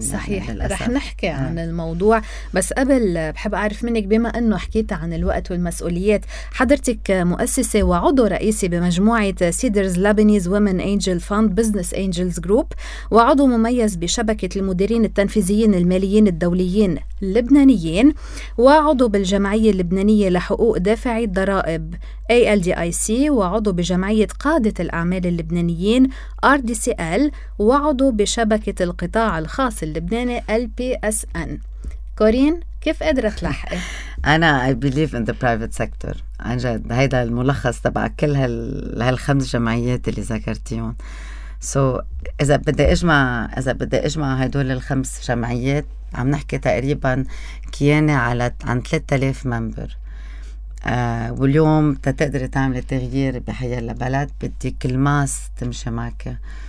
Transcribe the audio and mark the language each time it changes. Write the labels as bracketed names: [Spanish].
[Arabic] صحيح يعني للأسف. رح نحكي عن الموضوع بس قبل بحب أعرف منك بما أنه حكيت عن الوقت والمسؤوليات حضرتك مؤسسة وعضو رئيسي بمجموعة سيدرز لابنيز ومن أنجل فاند بزنس أنجلز جروب وعضو مميز بشبكة المديرين التنفيذيين الماليين الدوليين اللبنانيين وعضو بالجمعية اللبنانية لحقوق دافعي الضرائب ALDIC وعضو بجمعية قادة الأعمال اللبنانيين RDCL وعضو بشبكة القطاع الخاص اللبناني LPSN. كورين كيف قدرة تلحقي؟ أنا [English] I believe in the private sector. [Arabic] عن جد هيدا الملخص تبع كل هالخمس جمعيات اللي ذكرتيهم. [English] So [Arabic] إذا بدي أجمع هدول الخمس جمعيات عم نحكي تقريبا كيانة على عن 3000 ممبر. واليوم تتقدر تعمل تغيير بحياة البلد بديك الماس تمشي معك.